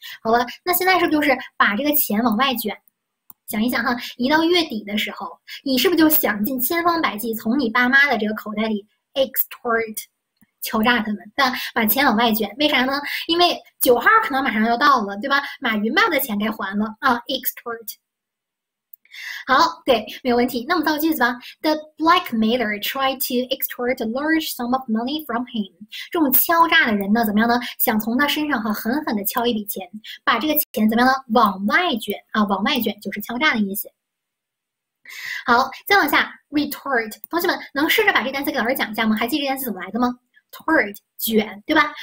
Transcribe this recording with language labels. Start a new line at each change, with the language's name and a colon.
Chinese: 好了，那现在是不是就是把这个钱往外卷？想一想哈，一到月底的时候，你是不是就想尽千方百计从你爸妈的这个口袋里 extort 敲诈他们，但把钱往外卷？为啥呢？因为9号可能马上要到了，对吧？马云爸的钱该还了啊，extort。好，对，没有问题。那么造句子吧，
English: The blackmailer tried to extort a large sum of money from him。
Chinese: 这种敲诈的人呢，怎么样呢？想从他身上哈狠狠地敲一笔钱，把这个钱怎么样呢？往外卷啊，往外卷就是敲诈的意思。好，再往下，retort，同学们能试着把这单词给老师讲一下吗？还记得这单词怎么来的吗？tort 卷，对吧？